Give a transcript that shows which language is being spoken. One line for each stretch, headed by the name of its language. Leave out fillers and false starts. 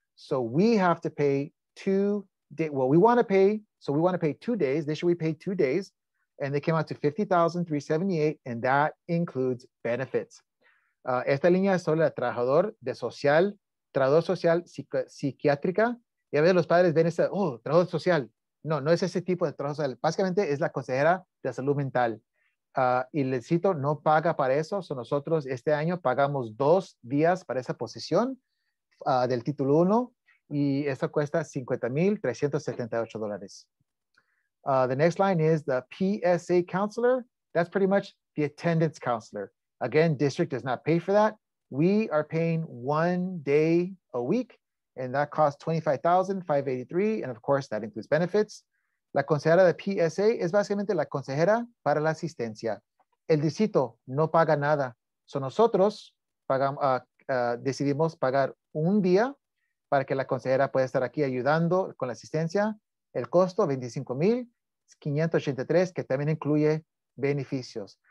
English: So we have to pay 2 days. Well, we want to pay. So we want to pay 2 days. This year we paid 2 days. And they came out to $50,378, and that includes benefits.
Spanish: Esta línea es solo el trabajador social psiquiátrica. Y a veces los padres ven trabajador social. No es ese tipo de trabajo social. Básicamente es la consejera de salud mental. Y les cito, no paga para eso. So nosotros este año pagamos 2 días para esa posición del título 1, y eso cuesta $50,378.
English: The next line is the PSA counselor. That's pretty much the attendance counselor. Again, district does not pay for that. We are paying one day a week, and that costs $25,583. And of course, that includes benefits.
Spanish: La consejera de PSA es básicamente la consejera para la asistencia. El distrito no paga nada. So nosotros pagamos, decidimos pagar un día para que la consejera pueda estar aquí ayudando con la asistencia. El costo, $25,583, que también incluye beneficios.